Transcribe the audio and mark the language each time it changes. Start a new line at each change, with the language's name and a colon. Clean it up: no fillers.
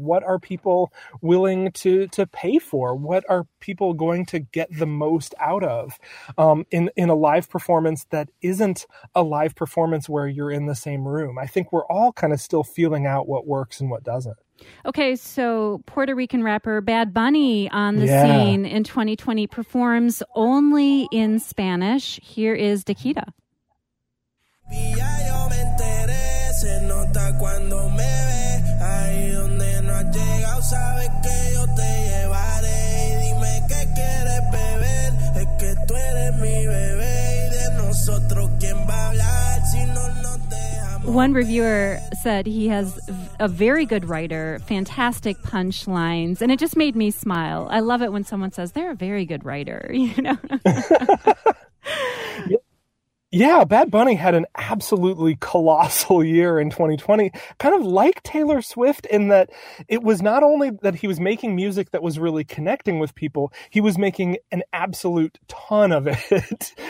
English: What are people willing to pay for? What are people going to get the most out of in a live performance that isn't a live performance where you're in the same room? I think we're all kind of still feeling out what works and what doesn't. Okay, so Puerto Rican rapper Bad Bunny on the scene in 2020 performs only in Spanish. Here is Daquita.
Spanish: Ya yo me enteré, se nota cuando me ve, ahí donde no has llegado, sabes que yo te llevaré, y dime qué quieres beber, es que tú eres mi bebé, y de nosotros quién va a hablar, si no nos dejamos.
English: One reviewer said he has a very good writer, fantastic punchlines, and it just made me smile. I love it when someone says, they're a very good writer, you know? Yeah, Bad Bunny had an absolutely colossal year in 2020, kind of like Taylor Swift in that it was not only that he was making music that was really connecting with people, he was making an absolute ton of it.